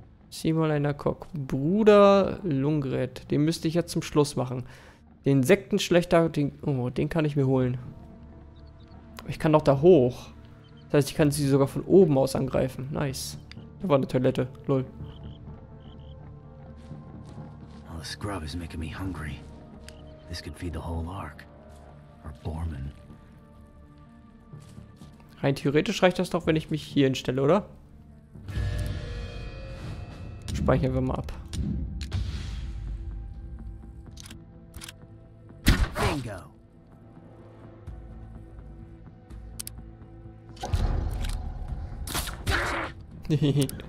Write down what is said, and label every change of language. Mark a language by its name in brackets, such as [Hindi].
[German] Zieh mal einer Kock. Bruder Lungret. Den müsste ich jetzt zum Schluss machen. Den Sektenschlechter, den kann ich mir holen. Aber ich kann doch da hoch. Das heißt, ich kann sie sogar von oben aus angreifen. Nice. Da war eine Toilette. Lol. [English] Well, the scrub is making me hungry. This could feed the whole arc. Or Bormann. [German] Rein theoretisch reicht das doch, wenn ich mich hier hinstelle, oder? Speichern wir mal ab. Bingo.